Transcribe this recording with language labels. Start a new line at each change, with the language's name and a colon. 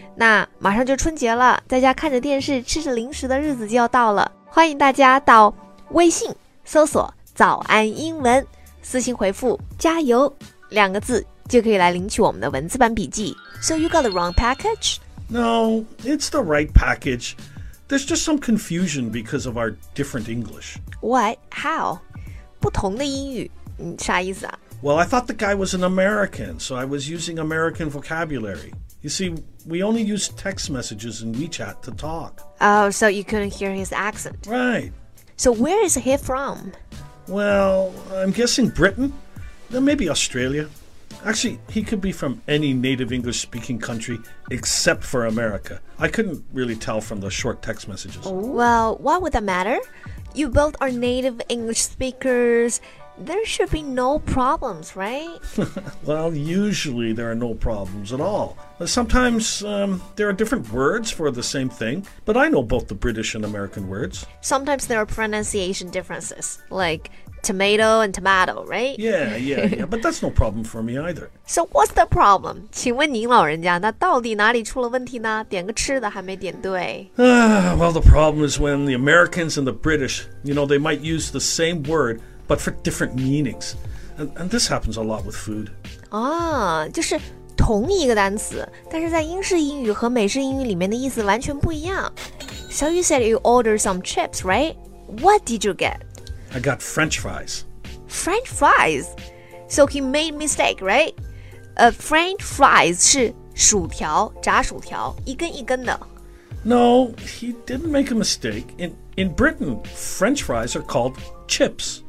Chinese: 那马上就春节了，在家看着电视吃着零食的日子就要到了。欢迎大家到微信搜索早安英文，私信回复加油两个字就可以来领取我们的文字版笔记。
English: So you got the wrong package? No, it's the right package. There's just some confusion because of our different English. What? How?
Chinese: 不同的英语，啥意思啊？
English: Well, I thought the guy was an American, so I was using American vocabulary. You see, we only use text messages in WeChat to talk. Oh, so you couldn't hear his accent. Right. So where is he from? Well, I'm guessing Britain. Then maybe Australia. Actually, he could be from any native English-speaking country except for America. I couldn't really tell from the short text messages. Well, why would that matter? You both are native English speakers. There should be no problems, right? Well, usually there are no problems at all. Sometimes, there are different words for the same thing, but I know both the British and American words. Sometimes there are pronunciation differences, like... Tomato and tomato, right? Yeah, but that's no problem for me either. So what's the problem?
Chinese: 请问您老人家，那到底哪里出了问题呢？点个吃的还没点对。
English: Well, the problem is when the Americans and the British, you know, they might use the same word, but for different meanings. And this happens a lot with food.
Chinese: 啊，就是同一个单词，但是在英式英语和美式英语里面的意思完全不一样。
English: So you said you ordered some chips, right? What did you get? I got French fries. French fries? So he made a mistake, right?
Chinese: French fries 是薯条，炸薯条，一根一根的。
English: No, he didn't make a mistake. In Britain, French fries are called chips.